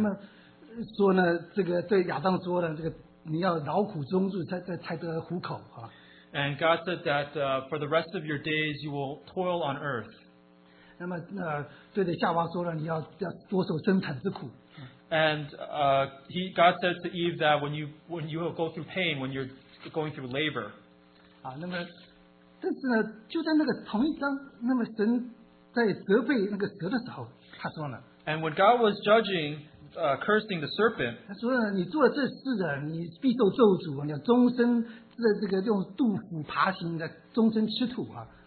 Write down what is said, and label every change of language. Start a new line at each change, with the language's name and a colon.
Chinese: 那么说呢，这个对亚当说的这个，你要劳苦终日才得糊口啊。
English: And God said that for the rest of your days you will toil on earth.
Chinese: 那么对着夏娃说了，你要多受生产之苦。
English: And God said to Eve that when you will go through pain when you're going through labor.
Chinese: 啊，那么但是呢，就在那个同一章，那么神在责备那个蛇的时候，他说呢。
English: And when God was judging, cursing the serpent.
Chinese: 他说呢，你做了这事的，你必受咒诅，你要终身。这个用肚腹爬行的终身吃土啊。